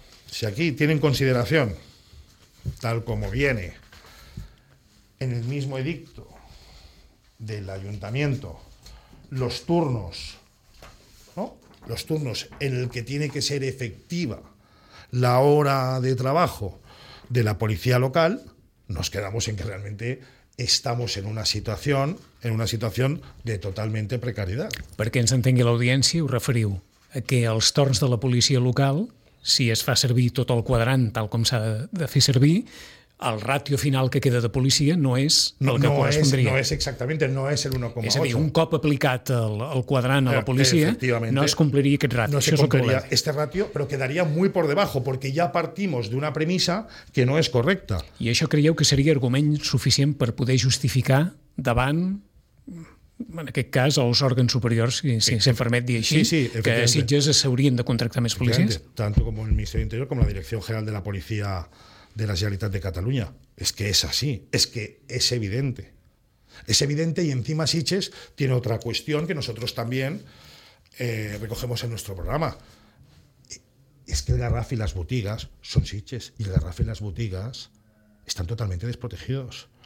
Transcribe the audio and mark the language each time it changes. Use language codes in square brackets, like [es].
[es] Si aquí tiene en consideración, tal como viene en el mismo edicto del ayuntamiento, los turnos, ¿no? Los turnos en el que tiene que ser efectiva la hora de trabajo de la policía local, nos quedamos en que realmente estamos en una situación de totalmente precariedad. [ca] Perquè ens entengui l'audiència, ho referiu a que els torns de la policia local, si es fa servir tot el quadrant tal com s'ha de fer servir, el ratio final que queda de policia no és el que correspondria. No és exactament, no és el 1,8. És a dir, un cop aplicat el quadrant a la policia, no es compliria aquest ratio. [es] No se compliria este ratio, [ca] però quedaria [es] muy por debajo, porque ya partimos de una premisa que no és correcta. [ca] I això creieu que seria argument suficient per poder justificar davant, en aquest cas, els òrgans superiors, si se'n permet dir així, que a Sitges s'haurien de contractar més policies? [es] Tanto como el Ministerio de Interior como la Dirección General de la Policía de la Generalitat de Catalunya. Es que es así, es que es evidente. Es evidente y encima Sitges tiene otra cuestión que nosotros también recogemos en nuestro programa. Es que el Garraf y las botigues son Sitges y el Garraf y las botigues están totalmente desprotegidos.